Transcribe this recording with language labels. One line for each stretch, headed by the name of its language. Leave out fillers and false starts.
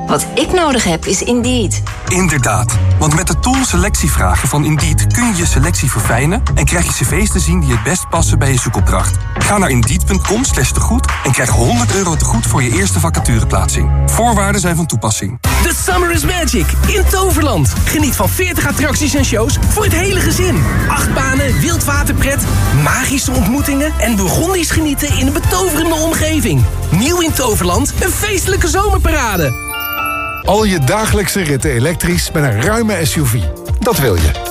Dutch: Wat ik nodig heb is Indeed. Inderdaad. Want met de tool selectievragen van Indeed kun je je selectie verfijnen en krijg je cv's te zien die het best passen bij je zoekopdracht. Ga naar indeed.com/tegoed en krijg €100 tegoed voor je eerste vacatureplaatsing. Voorwaarden zijn van toepassing.
English: The summer is magic in Toverland.
Dutch: Geniet van 40 attracties en shows voor het hele gezin. 8 banen, wildwaterpret, magische ontmoetingen en Bourgondisch genieten in een betoverende omgeving. Nieuw in Toverland, een feestelijke zomerparade. Al je dagelijkse ritten elektrisch met een ruime SUV. Dat wil je.